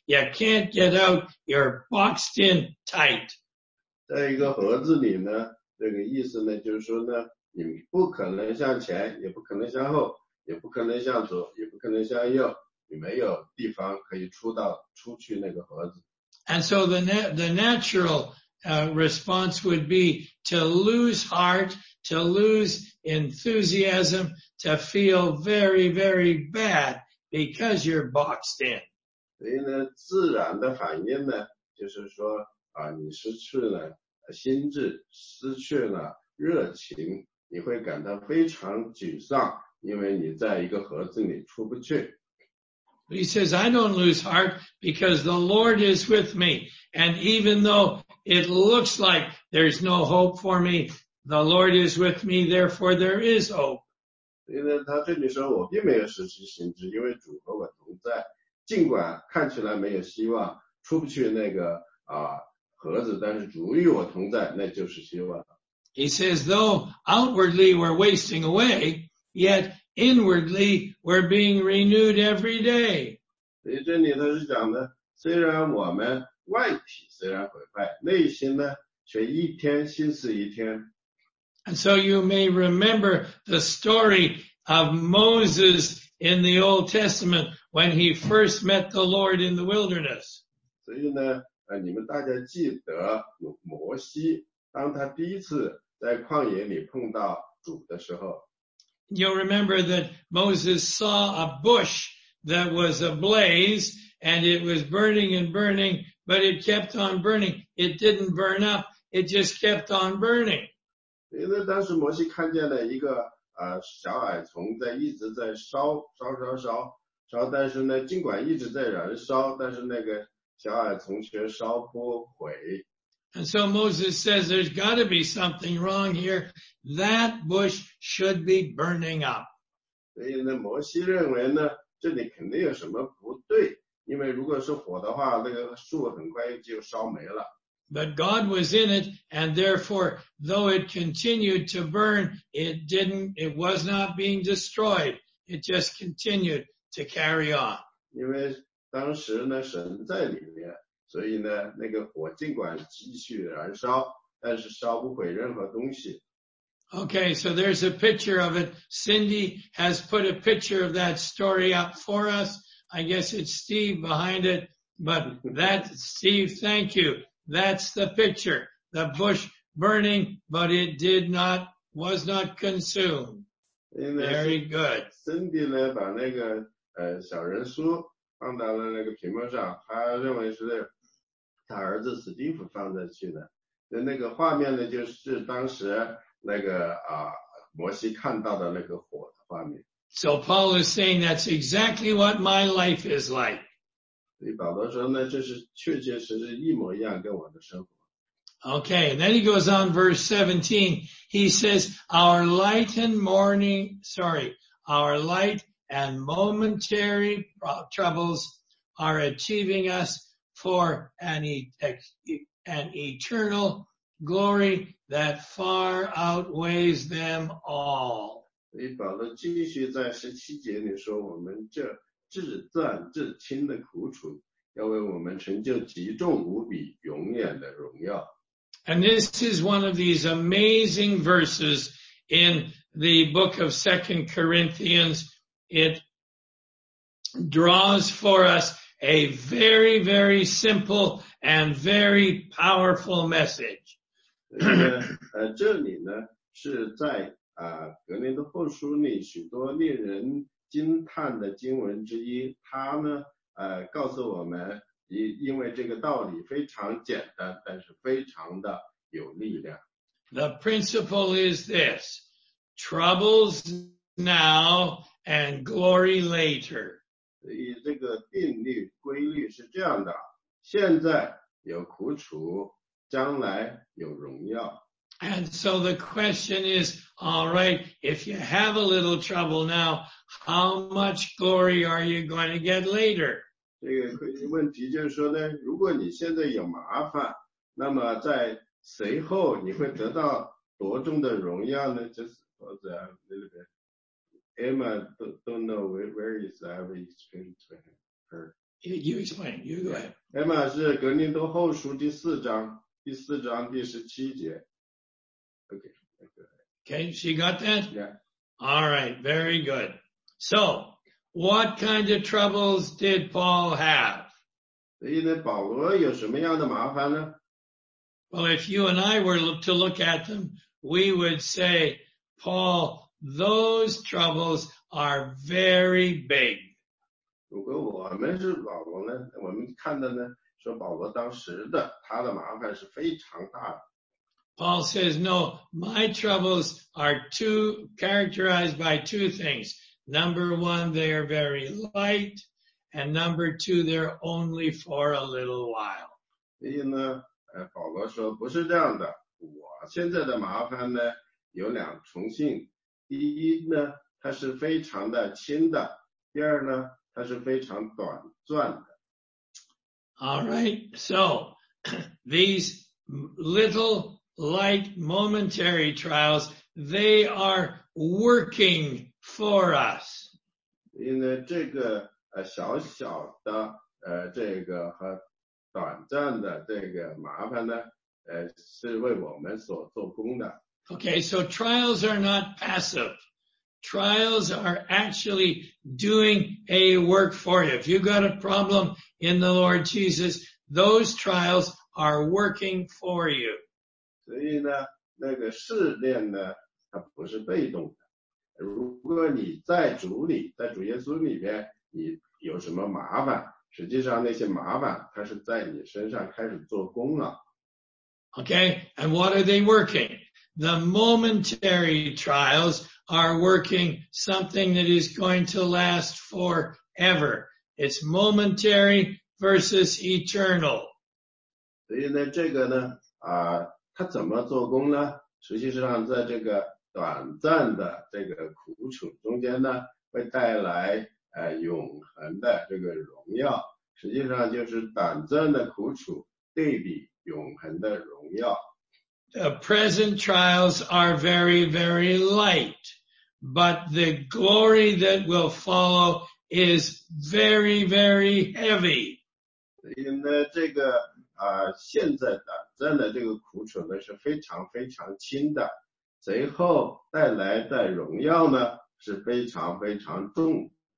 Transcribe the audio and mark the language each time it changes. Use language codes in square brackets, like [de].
[en] You can't get out. You're boxed in tight. [zh] 在一个盒子里呢，这个意思呢，就是说呢，你不可能向前，也不可能向后，也不可能向左，也不可能向右，你没有地方可以出到出去那个盒子。 [en] And so the natural response would be to lose heart, to lose enthusiasm, to feel very, very bad because you're boxed in. [zh] 所以呢，自然的反应呢，就是说啊，你失去了心智，失去了热情，你会感到非常沮丧，因为你在一个盒子里出不去。 [en] He says, I don't lose heart because the Lord is with me. And even though it looks like there's no hope for me, the Lord is with me, therefore there is hope. [zh] 所以呢他这里说我并没有失去心智因为主和我同在。尽管看起来没有希望出不去那个盒子但是主与我同在那就是希望。 [en] He says, though outwardly we're wasting away, yet inwardly, we're being renewed every day. [zh] 所以这里他是讲的，虽然我们外体虽然毁坏，内心呢却一天新似一天。 [en] And so you may remember the story of Moses in the Old Testament when he first met the Lord in the wilderness. [zh] 所以呢，你们大家记得摩西，当他第一次在旷野里碰到主的时候。 [en] You'll remember that Moses saw a bush that was ablaze and it was burning and burning, but it kept on burning. It didn't burn up, it just kept on burning. [zh] 因为当时摩西看见了一个小矮虫在一直在烧烧烧烧烧，但是呢尽管一直在燃烧，但是那个小矮虫却烧不毁。 [en] And so Moses says, there's got to be something wrong here. That bush should be burning up. [zh] 所以呢摩西认为呢这里肯定有什么不对，因为如果是火的话那个树很快就烧没了。 [en] But God was in it, and therefore, though it continued to burn, it was not being destroyed. It just continued to carry on. [zh] 因为当时呢神在里面。所以呢那个火尽管继续燃烧但是烧不毁任何东西。 [en] Okay, so there's a picture of it. Cindy has put a picture of that story up for us. I guess it's Steve behind it. But that, Steve, thank you. That's the picture. The bush burning, but it was not consumed. Very good. [zh] Cindy 呢把那个小人书放到了那个屏幕上他认为是他儿子史蒂夫放在去的，那个画面呢，就是当时那个摩西看到的那个火的画面。 [en] So Paul is saying that's exactly what my life is like. [zh] 所以保罗说呢，这是确确实实一模一样跟我的生活。 [en] Okay, then he goes on verse 17. He says, our light and momentary troubles are achieving us. For an eternal glory that far outweighs them all. [zh] 所以保罗继续在十七节里说，我们这至暂至轻的苦楚，要为我们成就极重无比永远的荣耀。 [en] And this is one of these amazing verses in the book of 2 Corinthians. It draws for us. A very, very simple and very powerful message. [zh] 这里呢是在格林的后书里许多令人惊叹的经文之一。他呢告诉我们，因为这个道理非常简单，但是非常的有力量。 [en] The principle is this: troubles now and glory later. [zh] 所以这个定律规律是这样的，现在有苦楚，将来有荣耀。 [en] And so the question is, all right, if you have a little trouble now, how much glory are you going to get later? [zh] 这个问题就是说呢，如果你现在有麻烦，那么在随后你会得到多重的荣耀呢？就是或者 [en] a little bit. Emma don't know where is that. We explained to her. You explain. You go ahead. [zh] Emma 是格林多后书第四章，第四章第十七节。 [en] Okay, she got that? Yeah. All right, very good. So, what kind of troubles did Paul have? [zh] 所以呢，保罗有什么样的麻烦呢？ [en] Well, if you and I were to look at them, we would say, Paul, those troubles are very big. [zh] 如果我们是保罗呢，我们看到呢，说保罗当时的他的麻烦是非常大的。 [en] Paul says, no, my troubles are characterized by two things. Number one, they are very light. And number two, they're only for a little while. [zh] 所以呢，保罗说不是这样的。我现在的麻烦呢，有两重性。第一呢，它是非常的轻的。第二呢，它是非常短暂的。 [en] All right. So, these little like momentary trials, they are working for us. [zh] 因为这个小小的这个和短暂的这个麻烦呢是为我们所做工的。 [en] Okay, so trials are not passive. Trials are actually doing a work for you. If you've got a problem in the Lord Jesus, those trials are working for you. [zh] 所以呢，那个试炼呢，它不是被动的。如果你在主里，在主耶稣里边，你有什么麻烦，实际上那些麻烦，它是在你身上开始做工了。 [en] Okay, and what are they working? The momentary trials are working something that is going to last forever. It's momentary versus eternal. [zh] 所以呢，这个呢，他怎么做工呢？实际上在这个短暂的这个苦楚中间呢，会带来永恒的这个荣耀。实际上就是短暂的苦楚对比永恒的荣耀。 [en] The present trials are very, very light, but the glory that will follow is very, very heavy. [zh] 所以呢，这个现在短暂的这个苦楚呢是非常非常轻的，随后带来的荣耀呢是非常非常重。